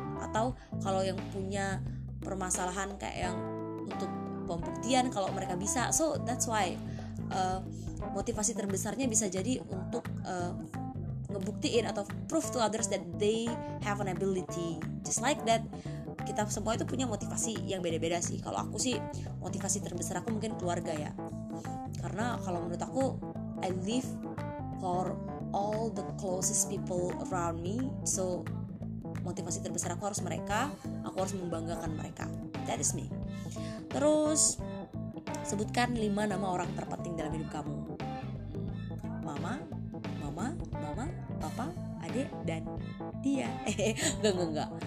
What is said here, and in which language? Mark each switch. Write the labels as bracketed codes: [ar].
[id] Atau kalau yang punya permasalahan kayak yang untuk pembuktian kalau mereka bisa, [en] so that's why [id] motivasi terbesarnya bisa jadi untuk ngebuktiin atau [en] prove to others that they have an ability. Just like that, [id] kita semua itu punya motivasi yang beda-beda sih. Kalau aku sih, motivasi terbesar aku mungkin keluarga ya. Karena kalau menurut aku, [en] I live for all the closest people around me. [id] So, motivasi terbesar aku harus mereka. Aku harus membanggakan mereka. [en] That is me. [id] Terus, sebutkan 5 nama orang terpenting dalam hidup kamu. Mama, mama, mama, papa, adik, dan dia. Enggak.